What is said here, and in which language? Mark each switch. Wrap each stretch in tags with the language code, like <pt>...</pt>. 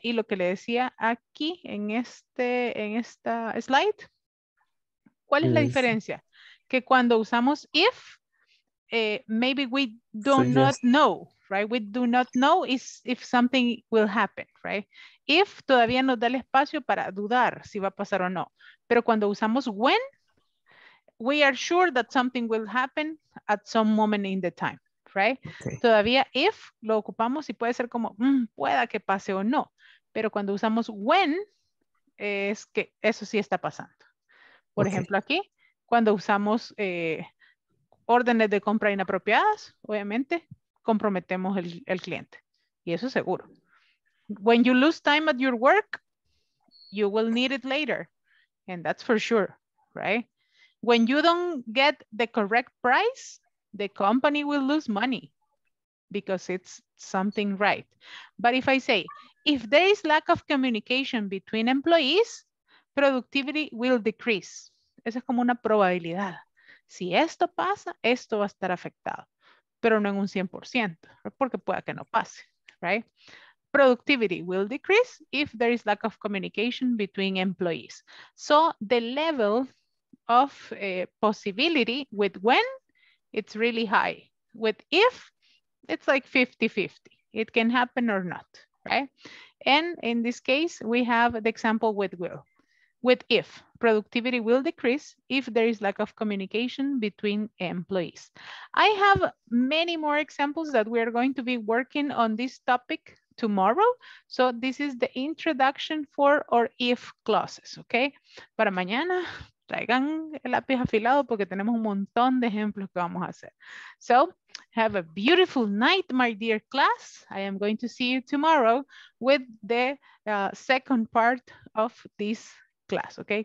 <es>Y lo que le decía aquí en esta slide. ¿Cuál es la diferencia? Que cuando usamos if,</es> <en>maybe we do not know, right? We do not know if something will happen, right?</en> <es>If todavía nos da el espacio para dudar si va a pasar o no. Pero cuando usamos</es> <en>when, we are sure that something will happen at some moment in the time, right? Okay.</en> <es>Todavía if lo ocupamos y puede ser como pueda que pase o no. Pero cuando usamos when, es que eso sí está pasando. Por ejemplo, aquí, cuando usamos órdenes de compra inapropiadas, obviamente comprometemos el cliente. Y eso es seguro.</es> <en>When you lose time at your work, you will need it later. And that's for sure, right? When you don't get the correct price, the company will lose money because it's something right. But if I say, if there is lack of communication between employees, productivity will decrease.</en> <es>Esa es como una probabilidad. Si esto pasa, esto va a estar afectado, pero no en un 100%, porque pueda que no pase, right?</es> <en>Productivity will decrease if there is lack of communication between employees. So the level of possibility with when, it's really high. With if, it's like 50-50. It can happen or not, right? And in this case, we have the example with will. With if, productivity will decrease if there is lack of communication between employees. I have many more examples that we are going to be working on this topic tomorrow. So this is the introduction for or if clauses, okay?</en> <es>Para mañana, traigan el lápiz afilado porque tenemos un montón de ejemplos que vamos a hacer.</es> <en>So have a beautiful night, my dear class. I am going to see you tomorrow with the second part of this class, okay?</en>